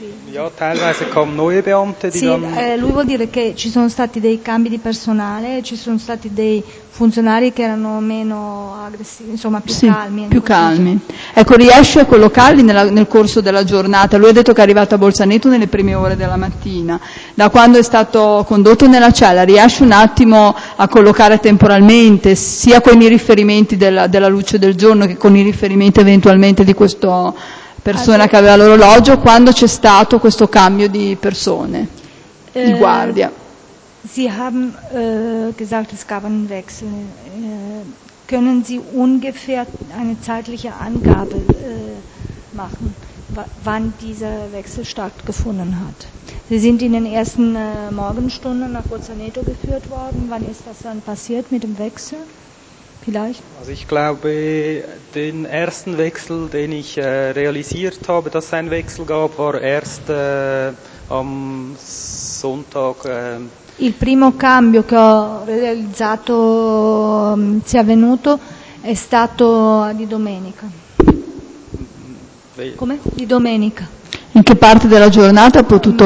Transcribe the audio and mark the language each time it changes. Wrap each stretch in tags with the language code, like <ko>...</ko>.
<de>Ja, teilweise kommen neue Beamte, die</de> <it>sì,</it> <de>dann.</de> <it>Lui vuol dire che ci sono stati dei cambi di personale, ci sono stati dei funzionari che erano meno aggressivi, insomma più sì, calmi. Più calmi. Ecco, riesce a collocarli nel corso della giornata. Lui ha detto che è arrivato a Bolzaneto nelle prime ore della mattina. Da quando è stato condotto nella cella, riesce un attimo a collocare temporalmente sia con i riferimenti della luce del giorno che con i riferimenti eventualmente di questo. Persona che aveva l'orologio, quando c'è stato questo cambio di persone, di guardia?</it> <de>Sie haben gesagt, es gab einen Wechsel. Können Sie ungefähr eine zeitliche Angabe machen, wann dieser Wechsel stattgefunden hat? Sie sind in den ersten Morgenstunden nach Bolzaneto geführt worden. Wann ist das dann passiert mit dem Wechsel? Vielleicht? Also ich glaube, den ersten Wechsel, den ich realisiert habe, dass es einen Wechsel gab, war erst am Sonntag.</de> <it>Il primo cambio che ho realizzato sia avvenuto è stato di domenica. Come? Di domenica. In che parte della giornata ho potuto?</it>